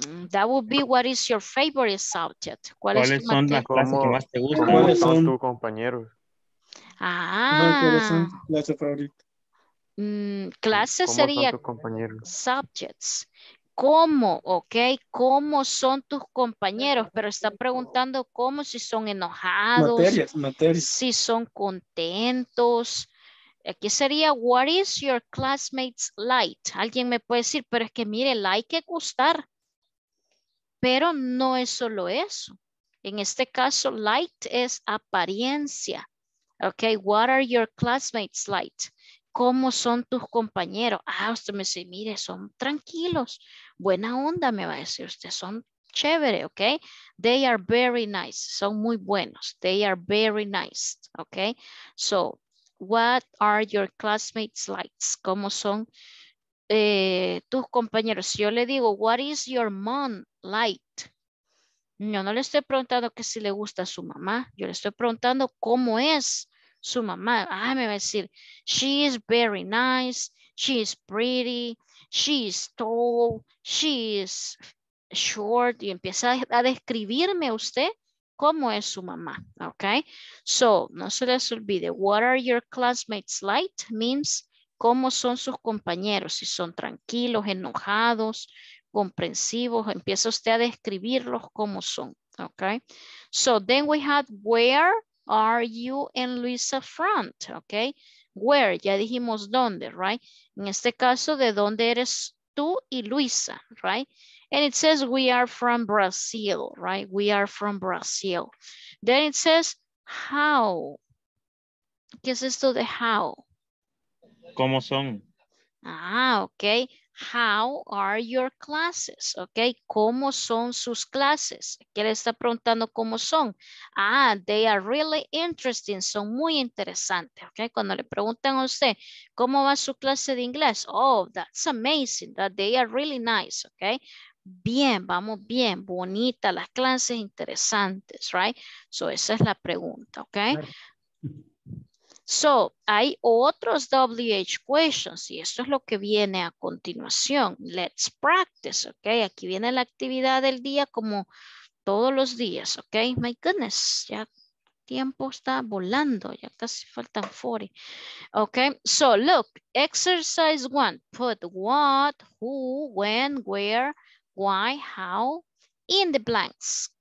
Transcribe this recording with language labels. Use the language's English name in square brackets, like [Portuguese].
[English] That would be what is your favorite subject? [Spanish] ¿Cuáles son las clases que más te gustan? ¿Cuáles son tus compañeros? Ah. ¿Cuáles son tus clases favoritas? Clase sería subjects. ¿Cómo? Ok, ¿cómo son tus compañeros? Pero está preguntando cómo, si son enojados, materias. Si son contentos. Aquí sería [English] what is your classmates like? [Spanish] Alguien me puede decir, pero es que mire, like es gustar. Pero no es solo eso. En este caso, light es apariencia. [English] Ok, what are your classmates like? [Spanish] ¿Cómo son tus compañeros? Ah, usted me dice, mire, son tranquilos. Buena onda, me va a decir usted. Son chévere, [English] ¿ok? They are very nice. [Spanish] Son muy buenos. [English] They are very nice, ¿ok? So, what are your classmates like? [Spanish] ¿Cómo son tus compañeros? Si yo le digo, [English] what is your mom like? [Spanish] Yo no le estoy preguntando que si le gusta a su mamá. Yo le estoy preguntando cómo es su mamá. [English] Ah, [Spanish] me va a decir, [English] she is very nice, she is pretty, she is tall, she is short. [Spanish] Y empieza a describirme usted cómo es su mamá, ¿ok? [English] So, [Spanish] no se les olvide, [English] what are your classmates like? [Spanish] Means, ¿cómo son sus compañeros? Si son tranquilos, enojados, comprensivos, empieza usted a describirlos cómo son, ¿ok? [English] So, then we had where are you and Luisa front, ok? [Spanish] Where, ya dijimos dónde, right? En este caso, ¿de dónde eres tú y Luisa, right? [English] And it says, we are from Brazil, right? We are from Brazil. Then it says, how? [Spanish] ¿Qué es esto de how? ¿Cómo son? [English] Ah, ok. How are your classes? [Spanish] Okay, ¿cómo son sus clases? ¿Qué le está preguntando cómo son? [English] Ah, they are really interesting. [Spanish] Son muy interesantes. Okay, cuando le preguntan a usted, ¿cómo va su clase de inglés? [English] Oh, that's amazing. That they are really nice. Okay, [Spanish] bien, vamos bien. Bonita las clases, interesantes, right? So, esa es la pregunta, okay? So, hay otros WH questions y esto es lo que viene a continuación. [English] Let's practice, [Spanish] ¿ok? Aquí viene la actividad del día como todos los días, ¿ok? [English] My goodness, [Spanish] ya tiempo está volando, ya casi faltan 40. [English] Ok, so look, exercise one, put what, who, when, where, why, how, in the blanks.